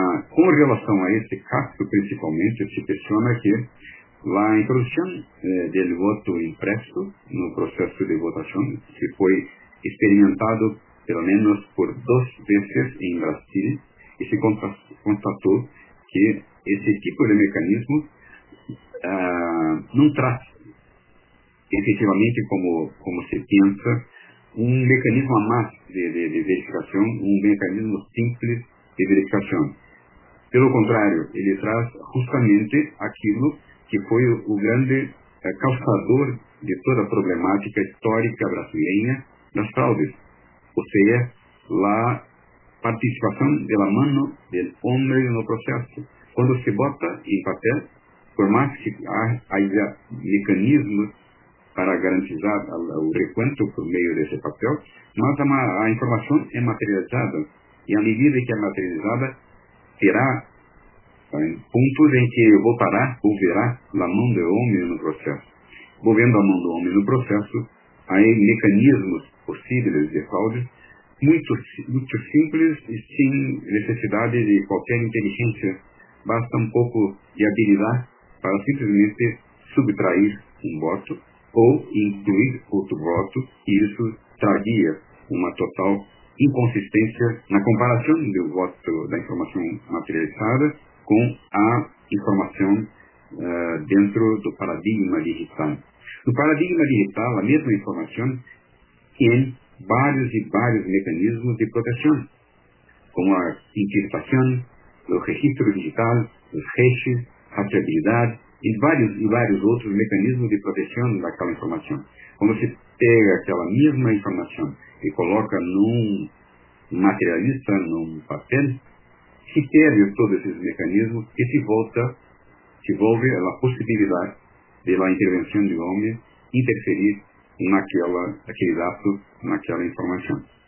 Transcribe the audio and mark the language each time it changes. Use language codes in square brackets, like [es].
[pt] Com relação a esse caso, principalmente, se menciona que a introdução do voto impresso no processo de votação se foi experimentado pelo menos por 2 vezes em Brasil e se constatou que esse tipo de mecanismo não traz efetivamente como se pensa [es] un mecanismo más de verificación, un mecanismo simple de verificación. Pelo contrario, él trae justamente aquello que fue el grande causador de toda la problemática histórica brasileña las fraudes, o sea, la participación de la mano del hombre en el proceso. Cuando se vota en papel, por más que haya mecanismos para garantizar [pt] o recuento por meio desse papel, mas a informação é materializada, e à medida que é materializada, será em pontos em que votará ou verá a mão do homem no processo. Movendo a mão do homem no processo, há mecanismos possíveis de fraude, muito, muito simples e sem necessidade de qualquer inteligência. Basta um pouco de habilidade para simplesmente subtrair um voto, ou incluir outro voto, e isso traria uma total inconsistência na comparação do voto da informação materializada com a informação dentro do paradigma digital. No paradigma digital, a mesma informação tem vários e vários mecanismos de proteção, como a encriptação, [es] el registro digital, los hashes, rastreabilidad y varios otros mecanismos de protección de aquella información. Cuando se pega aquella misma información y coloca en un materialista, en un papel, se pierde todos esos mecanismos y se vuelve a la posibilidad de la intervención del hombre interferir en aquel dato, en aquella información.